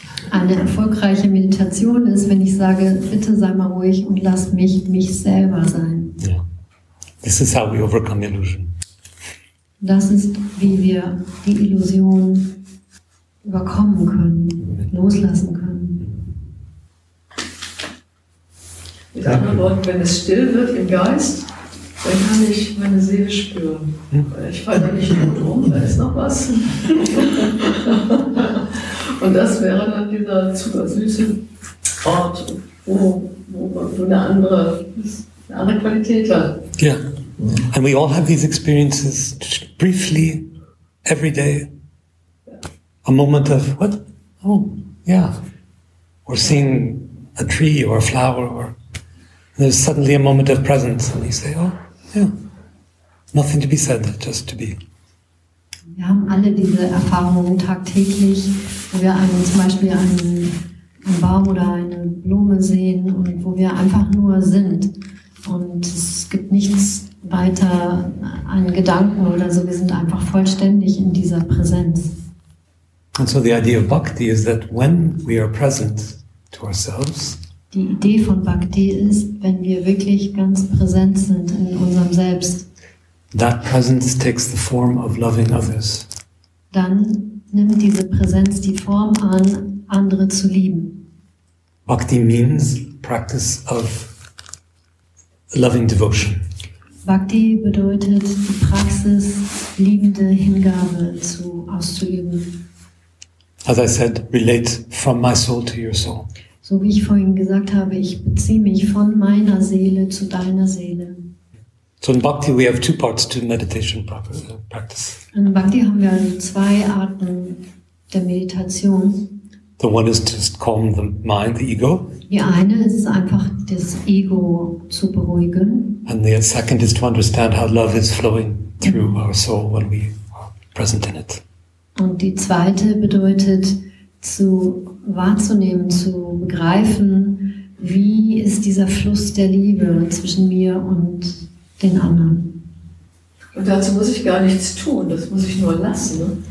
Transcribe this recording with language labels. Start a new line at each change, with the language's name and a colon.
German: Eine erfolgreiche Meditation ist, wenn ich sage, bitte sei mal ruhig und lass mich mich selber sein.
English: This is how we overcome the illusion.
German: Das ist, wie wir die Illusion überkommen können, loslassen können. Mit anderen Worten, wenn es still wird im Geist, dann kann ich meine Seele spüren. Ich falle nicht nur rum, da ist noch was. Und das wäre dann dieser super süße Ort, wo man eine andere Qualität hat. Ja. Yeah.
English: And we all have these experiences briefly, every day. A moment of, what? Oh, yeah. Or seeing a tree or a flower. Or there's suddenly a moment of presence. And you say, oh, yeah. Nothing to be said, just to be.
German: Wir haben alle diese Erfahrungen tagtäglich, wo wir zum Beispiel einen Baum oder eine Blume sehen und wo wir einfach nur sind. Und es gibt nichts weiter an Gedanken oder so, wir sind einfach vollständig in dieser Präsenz.
English: And so the idea of bhakti is that when we are present to ourselves.
German: Die Idee von Bhakti ist, wenn wir wirklich ganz präsent sind in unserem Selbst.
English: That presence takes the form of loving others.
German: Dann nimmt diese Präsenz die Form an, andere zu lieben.
English: Bhakti means practice of loving devotion.
German: Bhakti bedeutet die Praxis, liebende Hingabe auszuüben.
English: As I said, relate from my soul to your soul.
German: So wie ich vorhin gesagt habe, ich beziehe mich von meiner Seele zu deiner Seele.
English: So in Bhakti we have two parts to meditation practice.
German: In Bhakti haben wir also zwei Arten der Meditation.
English: The one is to calm the mind, the ego.
German: Die eine ist einfach das Ego zu beruhigen.
English: And the second is to understand how love is flowing through our soul when we are present in it.
German: Und die zweite bedeutet wahrzunehmen, zu begreifen, wie ist dieser Fluss der Liebe zwischen mir und den anderen. Und dazu muss ich gar nichts tun, das muss ich nur lassen.